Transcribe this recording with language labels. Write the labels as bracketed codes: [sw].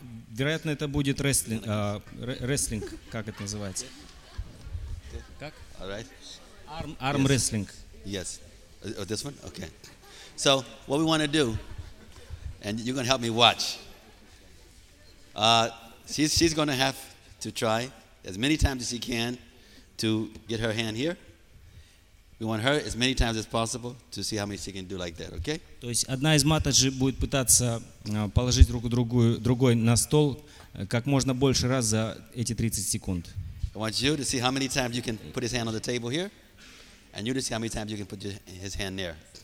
[ru] Вероятно, это будет рестлинг. Рестлинг, как это называется? Как? [en] All right. Arm wrestling. Yes. Oh, this one? Okay. So, what we want to do, and you're going to help me watch. She's going to have to try as many times as she can to get her hand here. We want her as many times as possible to see how many she can do like that, okay? [ru] То есть одна из маточек будет пытаться положить руку другой на стол как можно больше раз за эти 30 секунд. [en] I want you to see how many times you can put his hand on the table here, and you to see how many times you can put his hand there.